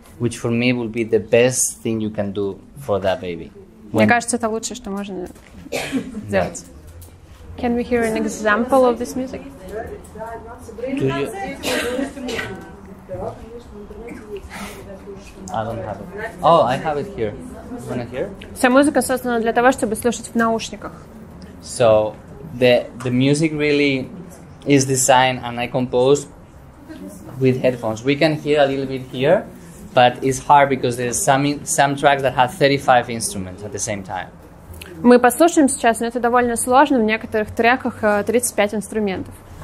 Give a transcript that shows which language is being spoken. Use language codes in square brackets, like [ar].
[en] Which for me would be the best thing you can do for that baby. [ru] Мне кажется, это лучшее, что можно сделать. [en] Can we hear an example of this music? I don't have it. Oh, I have it here. Wanna hear? [ru] Вся музыка создана для того, чтобы слушать в наушниках. [en] So the music really is designed and I composed with headphones. We can hear a little bit here, but it's hard because there's some tracks that have 35 instruments at the same time. [ru] Мы послушаем сейчас, но это довольно сложно. В некоторых треках 35 инструментов.